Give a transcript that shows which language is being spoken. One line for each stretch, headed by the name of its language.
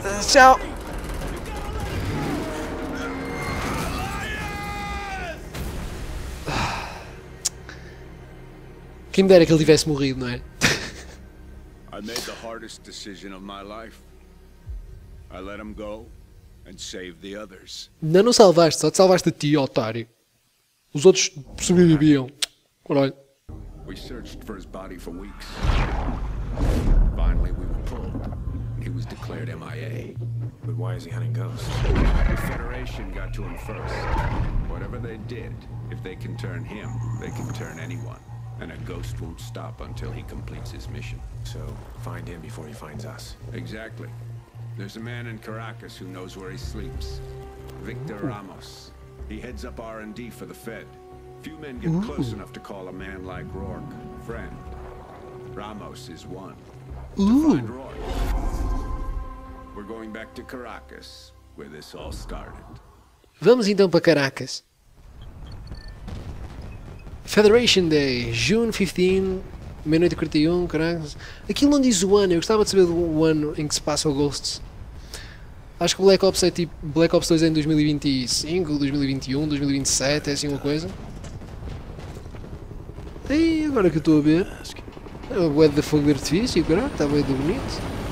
Portuguese: Tchau! Quem me dera que ele tivesse morrido, não é?
English: I made the hardest decision of my life. I let him go and save the others.
Portuguese: Não, não salvaste, só te salvaste a ti, otário. Os outros sobreviviam. Caralho.
English: We searched for his body for weeks. Finally, we were pulled. He was declared MIA. But why is he hunting ghosts? The Federation got to him first. Whatever they did, if they can turn him, they can turn anyone. And a ghost won't stop until he completes his mission. So, find him before he finds us. Exactly. There's a man in Caracas who knows where he sleeps. Victor Ramos. He heads up R&D for the Fed. Few men get close enough to call a man like Rourke friend. Ramos is one. Ooh. We're going back to Caracas, where this all started.
Portuguese: Vamos então para Caracas.
English: Federation Day, June 15, 1941, caralho.
Portuguese: Aquilo não diz o ano, eu gostava de saber o ano em que se passa o Ghosts. Acho que Black Ops é tipo, Black Ops 2 é em 2025, 2021, 2027, é assim uma coisa. E agora que eu estou a ver, é o bué de fogo de artifício, caralho, está bué de bonito.